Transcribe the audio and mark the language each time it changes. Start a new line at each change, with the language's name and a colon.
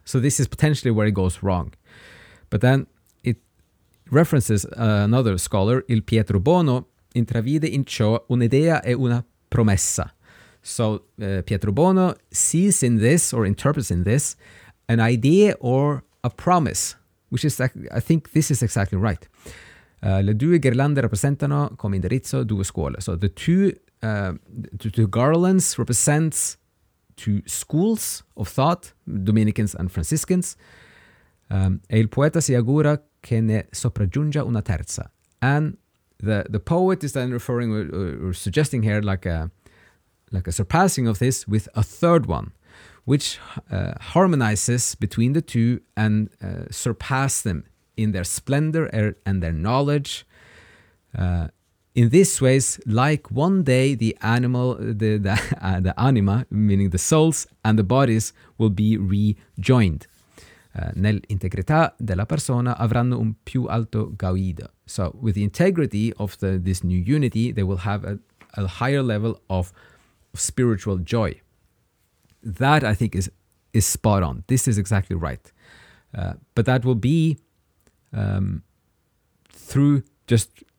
English: So this is potentially where it goes wrong. But then it references another scholar, Il Pietro Bono,
Italian: intravide in ciò un'idea e una promessa.
English: So Pietro Bono sees in this, or interprets in this, an idea or a promise, which is, I think this is exactly right.
Italian: Le due ghirlande rappresentano come indirizzo due scuole.
English: So the two garlands represents two schools of thought, Dominicans and Franciscans.
Italian: E il poeta si augura che ne sopraggiunga una terza. And
English: the poet is then referring or suggesting here like a surpassing of this with a third one, which harmonizes between the two and surpass them in their splendor and their knowledge. In this ways, like one day the animal, the anima, meaning the souls and the bodies, will be rejoined.
Italian: Nell'integrità della persona avranno un più alto gaudio.
English: So with the integrity of this new unity, they will have a higher level of spiritual joy. That, I think, is spot on. This is exactly right. But that will be through just...